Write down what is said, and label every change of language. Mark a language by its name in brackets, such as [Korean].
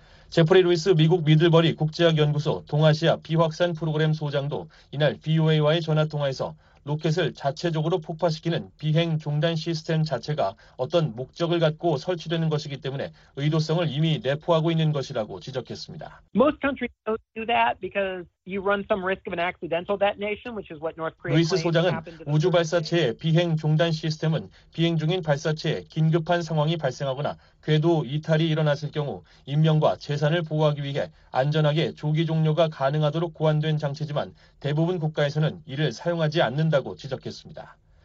[Korean] 제프리 루이스 미국 미들버리 국제학연구소 동아시아 비확산 프로그램 소장도 이날 VOA와의 전화통화에서 로켓을 자체적으로 폭파시키는 비행 중단 시스템 자체가 어떤 목적을 갖고 설치되는 것이기 때문에 의도성을 이미 내포하고 있는 것이라고 지적했습니다. [English] Most countries don't do that because you run some risk of an accidental detonation, which is what North Korea. [Korean] 루이스 소장은 우주 발사체의 비행 중단 시스템은 비행 중인 발사체에 긴급한 상황이 발생하거나 궤도 이탈이 일어났을 경우 인명과 재산을 보호하기 위해 안전하게 조기 종료가 가능하도록 고안된 장치지만 대부분 국가에서는 이를 사용하지 않는다고 지적했습니다.